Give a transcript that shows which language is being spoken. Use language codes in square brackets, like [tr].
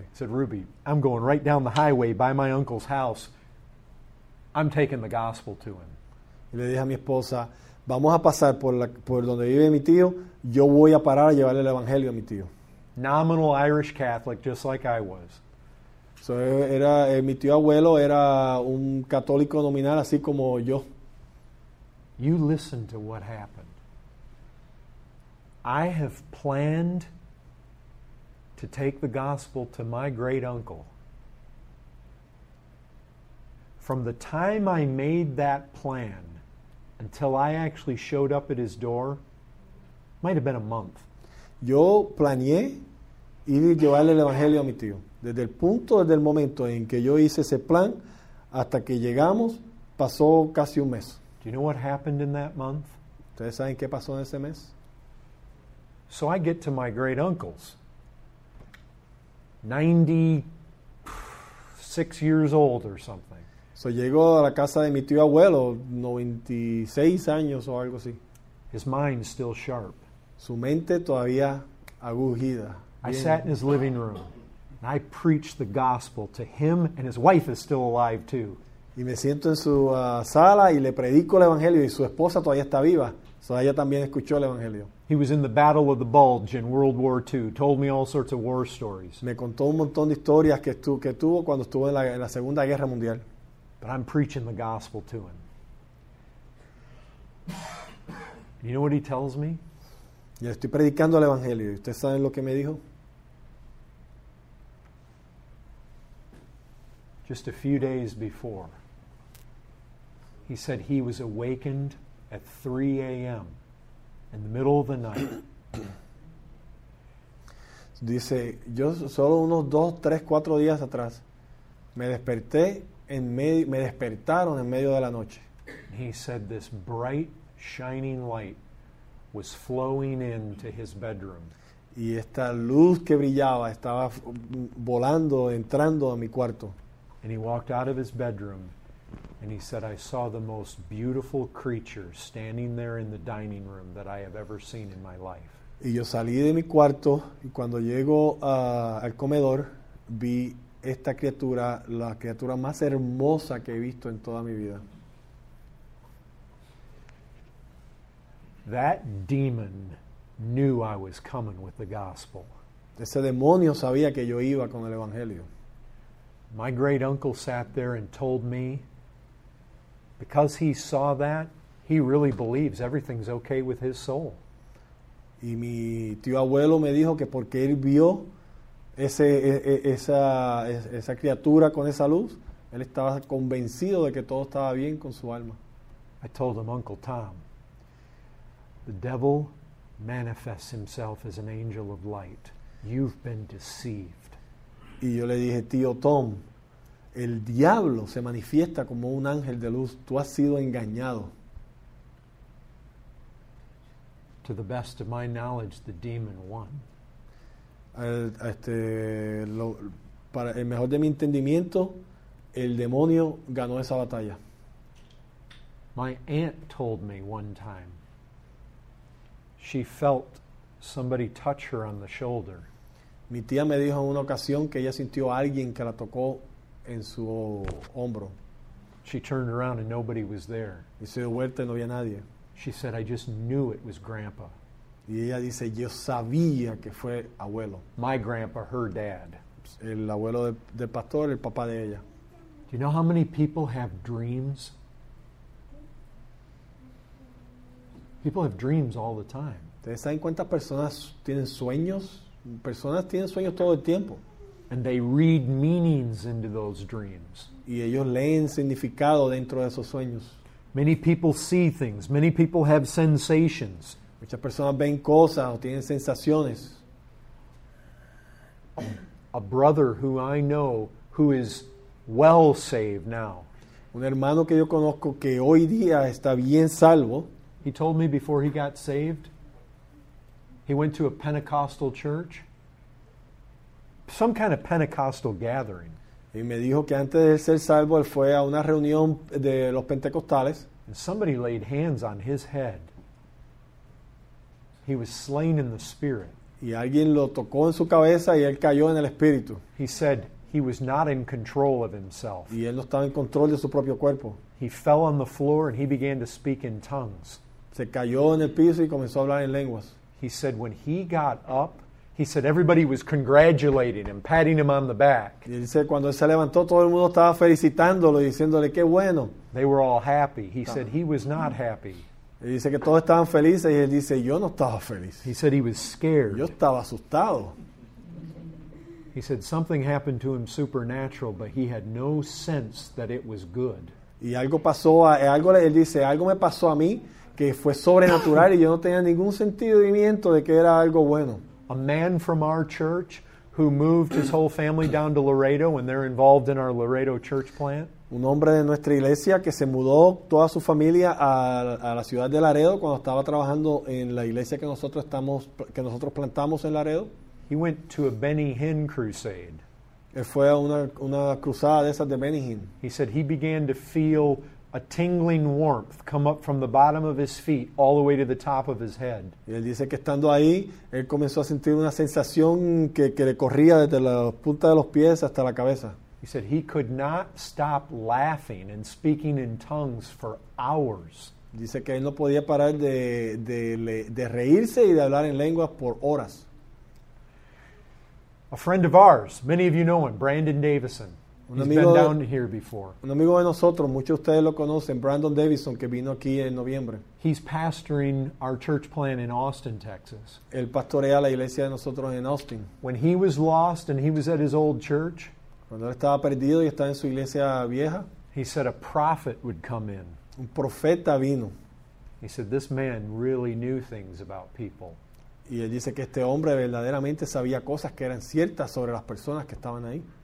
[en] He said, Ruby, I'm going right down the highway by my uncle's house. I'm taking the gospel to him. [es] Y le dije a mi esposa, vamos a pasar por donde vive mi tío. Yo voy a parar a llevarle el evangelio a mi tío. [en] Nominal Irish Catholic, just like I was. [es] So era, mi tío abuelo era un católico nominal, así como yo. [en] You listen to what happened. I have planned to take the gospel to my great uncle. From the time I made that plan until I actually showed up at his door, might have been a month. [es] Yo planeé ir y llevarle el evangelio a mi tío. Desde el momento en que yo hice ese plan hasta que llegamos, pasó casi un mes. [en] Do you know what happened in that month? [es] ¿Ustedes saben qué pasó en ese mes? [en] So I get to my great uncle's. 96 years old or something. [es] So llegó a la casa de mi tío abuelo, 96 años o algo así. [en] His mind still sharp. [es] Su mente todavía agujida. [en] I sat in his living room and I preached the gospel to him, and his wife is still alive too. [es] Y me siento en su sala y le predico el evangelio, y su esposa todavía está viva. So ella también escuchó el evangelio. [en] He was in the Battle of the Bulge in World War II. Told me all sorts of war stories. [es] Me contó un montón de historias que tuvo cuando estuvo en la Segunda Guerra Mundial. [en] But I'm preaching the gospel to him. You know what he tells me? [es] Yo estoy predicando el evangelio. ¿Usted sabe lo que me dijo? [en] Just a few days before, he said he was awakened at 3 a.m. in the middle of the night. [es] Dice, yo solo unos 2, 3, 4 días atrás me despertaron en medio de la noche. [en] He said this bright shining light was flowing into his bedroom. [es] Y esta luz que brillaba estaba volando, entrando a mi cuarto. [en] And he walked out of his bedroom and he said, I saw the most beautiful creature standing there in the dining room that I have ever seen in my life. [es] Y yo salí de mi cuarto, y cuando llego al comedor, vi esta criatura, la criatura más hermosa que he visto en toda mi vida. [en] That demon knew I was coming with the gospel. [es] Ese demonio sabía que yo iba con el evangelio. [en] My great uncle sat there and told me, because he saw that, he really believes everything's okay with his soul. [es] Y mi tío abuelo me dijo que porque él vio esa criatura con esa luz, Él estaba convencido de que todo estaba bien con su alma. [en] I told him, Uncle Tom, the devil manifests himself as an angel of light. You've been deceived. [es] Y yo le dije, tío Tom, el diablo se manifiesta como un ángel de luz. Tú has sido engañado. [en] To the best of my knowledge, the demon won. [es] Para el mejor de mi entendimiento, el demonio ganó esa batalla. [en] My aunt told me one time, she felt somebody touch her on the shoulder. [es] Mi tía me dijo en una ocasión que ella sintió a alguien que la tocó en su hombro. [en] She turned around and nobody was there. [es] Y se dio vuelta y no había nadie. [en] She said, I just knew it was grandpa. [es] Y ella dice, yo sabía que fue abuelo. [en] My grandpa, her dad. [es] El abuelo del pastor, el papá de ella. [en] Do you know how many people have dreams? People have dreams all the time. [es] ¿Ustedes saben cuántas personas tienen sueños? Personas tienen sueños todo el tiempo. [en] And they read meanings into those dreams. [es] Y ellos leen significado dentro de esos sueños. [en] Many people see things. Many people have sensations. [es] Muchas personas ven cosas o tienen sensaciones. [en] A brother who I know who is well saved now. [es] Un hermano que yo conozco que hoy día está bien salvo. [en] He told me before he got saved, he went to a Pentecostal church, some kind of Pentecostal gathering. [es] Y me dijo que antes de ser salvo, él fue a una reunión de los pentecostales. [en] And somebody laid hands on his head. He was slain in the spirit. [es] Y alguien lo tocó en su cabeza y él cayó en el espíritu. [en] He said he was not in control of himself. [es] Y él no estaba en control de su propio cuerpo. [en] He fell on the floor and he began to speak in tongues. [es] Se cayó en el piso y comenzó a hablar en lenguas. [en] He said when he got up, he said everybody was congratulating him, patting him on the back. [es] Y dice cuando él se levantó todo el mundo estaba felicitándolo y diciéndole qué bueno. [en] They were all happy. He said he was not happy. [es] Y dice que todos estaban felices y él dice yo no estaba feliz. [en] He said he was scared. [es] Yo estaba asustado. [en] He said something happened to him supernatural, but he had no sense that it was good. [es] Y algo pasó, él dice algo me pasó a mí que fue sobrenatural y yo no tenía ningún sentimiento de que era algo bueno. [en] A man from our church who moved his whole family down to Laredo and they're involved in our Laredo church plant. [es] Un hombre de nuestra iglesia que se mudó toda su familia a la ciudad de Laredo cuando estaba trabajando en la iglesia que nosotros plantamos en Laredo. [en] He went to a Benny Hinn crusade. [es] Él fue a una cruzada de esas de Benny Hinn. [en] He said he began to feel a tingling warmth come up from the bottom of his feet all the way to the top of his head. [es] Y él dice que estando ahí, él comenzó a sentir una sensación que le corría desde la punta de los pies hasta la cabeza. [en] He said he could not stop laughing and speaking in tongues for hours. [es] Dice que él no podía parar de reírse y de hablar en lenguas por horas. [en] A friend of ours, many of you know him, Brandon Davison. He's been down here before. [es] Un amigo de nosotros, muchos de ustedes lo conocen, Brandon Davison, que vino aquí en noviembre. [en] He's pastoring our church plant in Austin, Texas. [es] Él pastorea la iglesia de nosotros en Austin. [en] When he was lost and he was at his old church, [es] cuando él estaba perdido y estaba en su iglesia vieja, [en] he said a prophet would come in. [es] Un profeta vino. [en] He said this man really knew things about people. [es] Y él dice que este hombre verdaderamente sabía cosas que eran ciertas sobre las personas que estaban ahí.